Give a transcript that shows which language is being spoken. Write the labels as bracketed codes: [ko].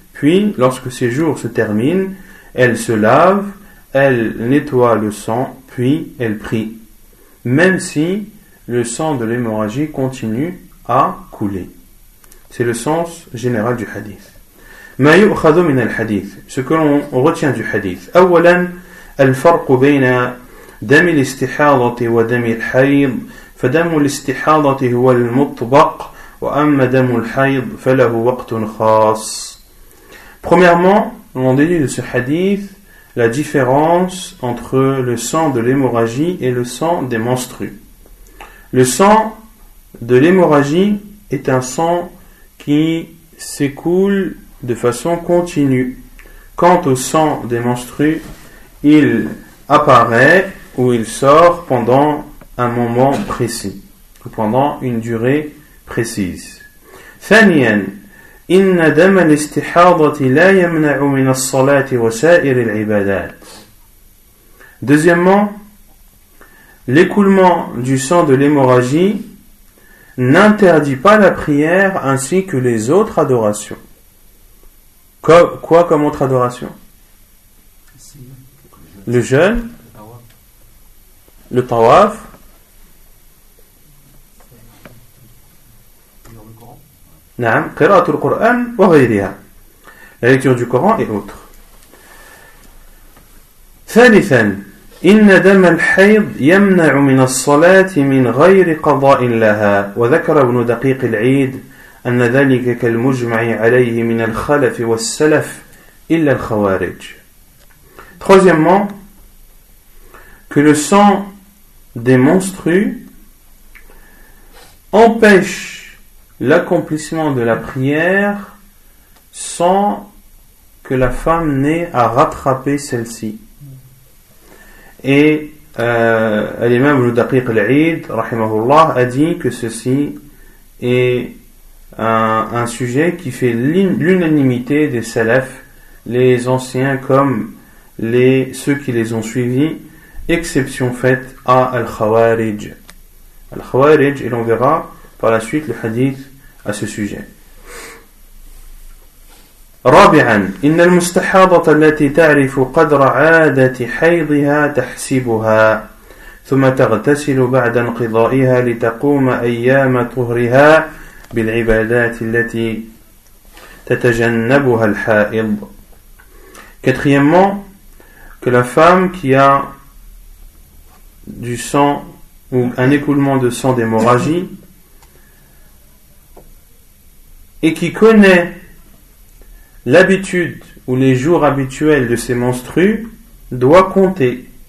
[fr] Puis, lorsque ces jours se terminent, elle se lave, elle nettoie le sang, puis elle prie, même si le sang de l'hémorragie continue à couler. C'est le sens général du hadith. [ar] Ma yu'khadhu min al-hadith. [fr] Ce que l'on retient du hadith. [ar] Awalan al-farq bayna دم الاستحاضة ودم الحيض فدم الاستحاضة هو المطبق وأما دم الحيض فله وقت خاص. [fr] Premièrement, on déduit de ce hadith la différence entre le sang de l'hémorragie et le sang des menstrues. Le sang de l'hémorragie est un sang qui s'écoule de façon continue. Quant au sang des menstrues, il apparaît où il sort pendant un moment précis, ou pendant une durée précise. [ar] ثانياً, إن دم الاستحاضة لا يمنع من الصلاة وسائر العبادات. [fr] Deuxièmement, l'écoulement du sang de l'hémorragie n'interdit pas la prière ainsi que les autres adorations. Quoi comme autre adoration? Le jeûne, le tawaf, [ar] نعم قراءة القرآن وغيرها [fr] la lecture du Coran et autres. [ar] ثالثا إن دم الحيض يمنع من الصلاة من غير قضاء لها وذكر ابن دقيق العيد أن ذلك كالمجمع عليه من الخلف والسلف إلا الخوارج. [fr] Troisièmement, que le sang des menstrues empêche l'accomplissement de la prière sans que la femme n'ait à rattraper celle-ci. Et l'imam Ibn Daqiq al-Aid, rahimahullah, a dit que ceci est un sujet qui fait l'unanimité des salafs, les anciens comme ceux qui les ont suivis, exception faite à Al-Khawarij. Al-Khawarij, et l'on verra par la suite le hadith à ce sujet. [ar] رابعا إن المستحاضة التي تعرف قدر عادة حيضها تحسبها ثم تغتسل بعد انقضائها لتقوم أيام طهرها بالعبادات التي تتجنبها الحائض. [fr] Quatrièmement, que la femme qui a du sang ou un écoulement de sang d'hémorragie et qui connaît l'habitude ou les jours habituels de ses menstrues doit compter.